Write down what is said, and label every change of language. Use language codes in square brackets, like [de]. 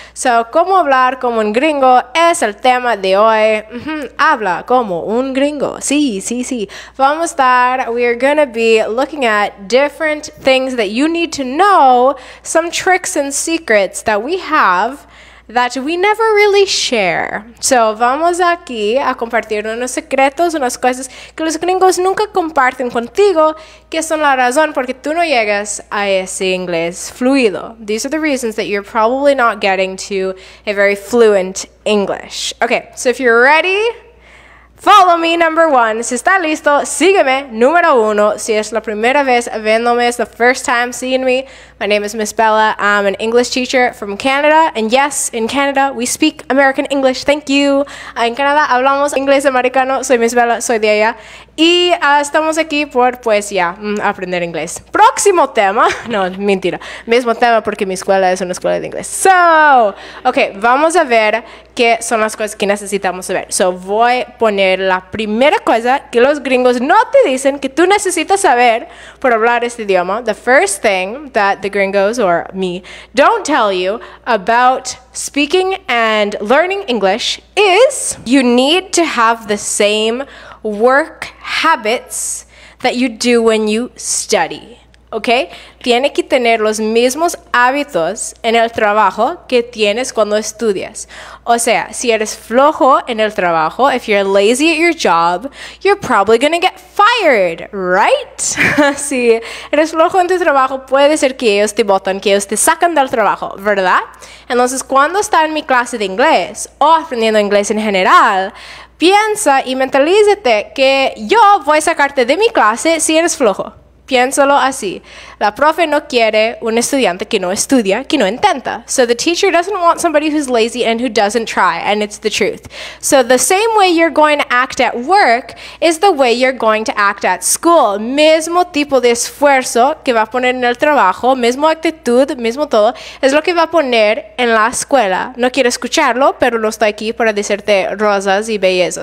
[es] So, ¿cómo hablar como un gringo? Es el tema de hoy. Habla como un gringo. Sí, sí, sí. Vamos a estar, [en] we are going to be looking at different things that you need to know, some tricks and secrets that we have that we never really share. [es] So, vamos aquí a compartir unos secretos, unas cosas que los gringos nunca comparten contigo, que son la razón porque tú no llegas a ese inglés fluido. [en] These are the reasons that you're probably not getting to a very fluent English. Okay, so if you're ready, follow me, number one. [es] Si está listo, sígueme, número uno. Si es la primera vez viéndome, es [en] the first time seeing me, my name is Miss Bella. I'm an English teacher from Canada. And yes, in Canada, we speak American English. Thank you. [es] En Canadá hablamos inglés americano. Soy Miss Bella, soy de allá. Y estamos aquí por, pues ya, aprender inglés. Próximo tema. No, mentira. Mismo tema porque mi escuela es una escuela de inglés. So, ok, vamos a ver qué son las cosas que necesitamos saber. So, voy a poner la primera cosa que los gringos no te dicen que tú necesitas saber por hablar este idioma. [en] The first thing that the gringos, or me, don't tell you about speaking and learning English is you need to have the same work habits that you do when you study, okay? [es] Tiene que tener los mismos hábitos en el trabajo que tienes cuando estudias. O sea, si eres flojo en el trabajo, [en] if you're lazy at your job, you're probably gonna get fired, right? [es] Si eres flojo en tu trabajo, puede ser que ellos te botan, que ellos te sacan del trabajo, ¿verdad? Entonces, cuando está en mi clase de inglés o aprendiendo inglés en general, piensa y mentalízate que yo voy a sacarte de mi clase si eres flojo. Piénsalo así. La profe no quiere un estudiante que no estudia, que no intenta. [en] So the teacher doesn't want somebody who's lazy and who doesn't try, and it's the truth. So the same way you're going to act at work is the way you're going to act at school. [es] Mismo tipo de esfuerzo que va a poner en el trabajo, mismo actitud, mismo todo, es lo que va a poner en la escuela. No quiero escucharlo, pero no estoy aquí para decirte rosas y belleza.